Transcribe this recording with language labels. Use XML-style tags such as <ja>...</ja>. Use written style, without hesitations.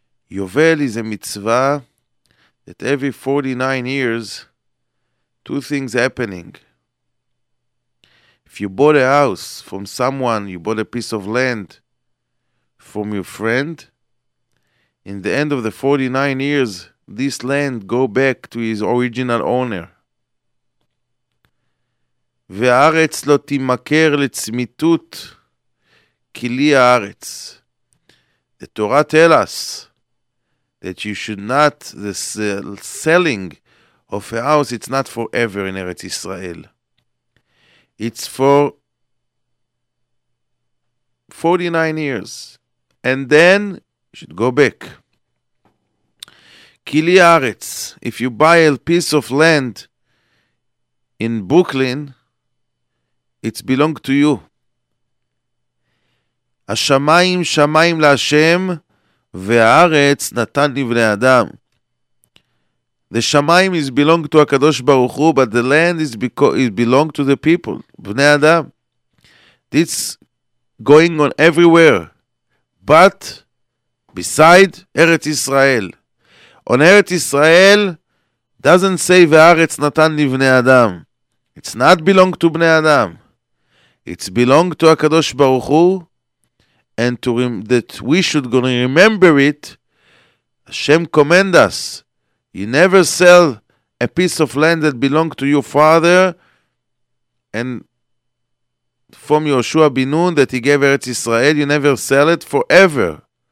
<en>Yovel is a mitzvah that every 49 years, two things happening. If you bought a house from someone, you bought a piece of land from your friend, in the end of the 49 years, this land go back to his original owner.</en> <he>והארץ לא תימכר לצמיתות כי לי הארץ.</he> <en>The Torah tell us that you should not, the selling of a house, it's not forever in Eretz Israel. It's for 49 years. And then you should go back. Kili Aretz, if you buy a piece of land in Brooklyn, it belongs to you.</en> <he>Ashamayim shamayim lashem. והארץ נתן לבני אדם.</he> <en>The Shamayim is belong to HaKadosh Baruch Hu, but the land is belong to the people, בני אדם. This going on everywhere, but beside Eretz Israel. On Eretz Israel, doesn't say</en> <he>והארץ נתן לבני אדם.</he> <en>It's not belong to בני אדם. It's belong to HaKadosh Baruch Hu, and to that we should going to remember it, Hashem command us, you never sell a piece of land that belonged to your father, and from Yoshua bin Nun that he gave Eretz Israel, you never sell it forever.</en>